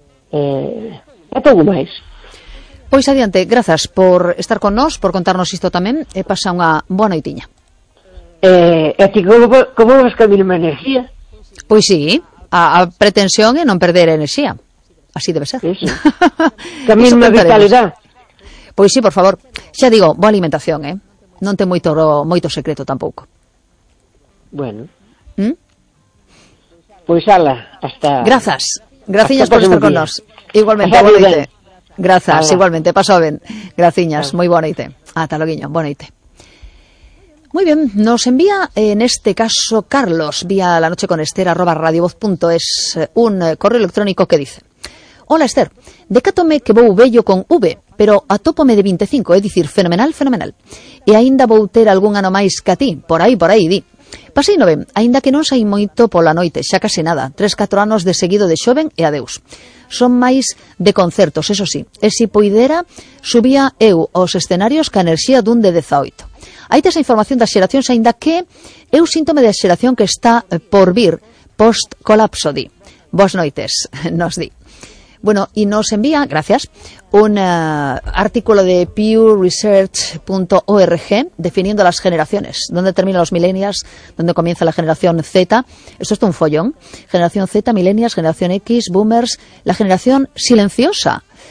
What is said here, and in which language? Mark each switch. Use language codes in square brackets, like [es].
[gl] É pouco máis. Pois adiante, grazas por estar con nós, por contarnos isto tamén, e pasa unha boa noitiña. A ti, como vas que a mínima enerxía? Pois sí, a pretensión é non perder a enerxía. Así debe ser. Que a mínima vitalidade. Pois sí, por favor. Xa digo, boa alimentación, eh? Non ten moito secreto tampouco. Bueno. ¿Mm? Pois ala, hasta... Grazas, graciñas por estar con nos. Igualmente, boa noite. Grazas, igualmente, paso ben. Graciñas, moi boa noite. Ata logo, boa noite. Moi ben, nos envía, en este caso, Carlos, vía lanochecon.ester@radiovoz.es, un correo electrónico que dice: Ola Esther, decátome que vou vello con V, pero atópome de 25, é dicir, fenomenal, fenomenal. E aínda vou ter algún ano máis que a ti, por aí, di. Pasei no ben, aínda que non saí moito pola noite, xa case nada, 3-4 anos de seguido de xoven e adeus. Son máis de concertos, eso sí, e se poidera, subía eu aos escenarios ca enerxía dun de 18. Aí tes a información das xeracións, aínda que eu síntome da xeración que está por vir, post-colapso, di. Boas noites, nos di. [es] Bueno, e nos envía, gracias, un artículo de pewresearch.org definiendo las generaciones. ¿Dónde terminan los millennials? ¿Dónde comienza la generación Z? Esto es un follón. Generación Z, millennials, generación X, boomers, la generación silenciosa.